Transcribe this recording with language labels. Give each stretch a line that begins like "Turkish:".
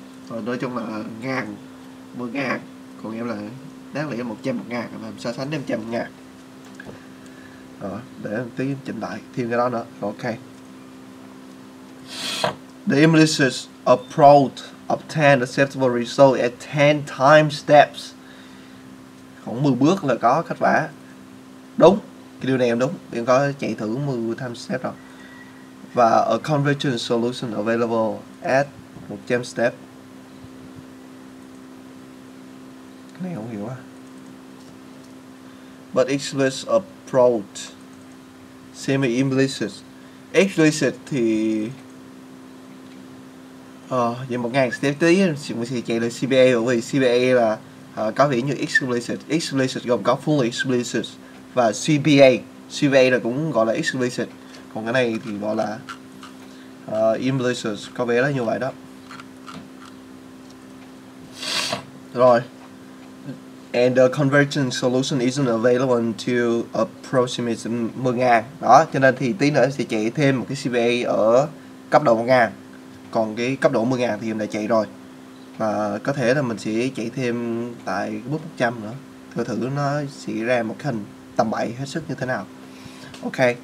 Vietnamese: Rồi nói chung là ngàn, 10000, còn em là đáng lẽ 100, 1000, em so sánh 500, 1000. Để tí chỉnh lại thêm cái đó nữa. Ok.
English: The implicit approach obtain acceptable result at 10 time steps.
Vietnamese: Khoảng 10 bước là có kết quả. Đúng. Cái điều này em đúng. Em có chạy thử 10 time steps rồi.
English: Và a convergent solution available at 100 steps.
Vietnamese: Cái này không hiểu à.
English: But explicit approach semi implicit.
Vietnamese: Explicit thì vậy 1000 step tí mình sẽ chạy lên CBA, bởi vì CBA là có vẻ như explicit. Explicit gồm có fully explicit và CBA. CBA là cũng gọi là explicit, còn cái này thì gọi là implicit, có vẻ là như vậy đó. Rồi.
English: And the convergent solution isn't available until approximate 10000.
Vietnamese: Đó, cho nên thì tí nữa em sẽ chạy thêm một cái CBA ở cấp độ 1000. Còn cái cấp độ 10000 thì em đã chạy rồi. Và có thể là mình sẽ chạy thêm tại bước 100 nữa. Thử nó sẽ ra một hình tầm 7 hết sức như thế nào. Ok.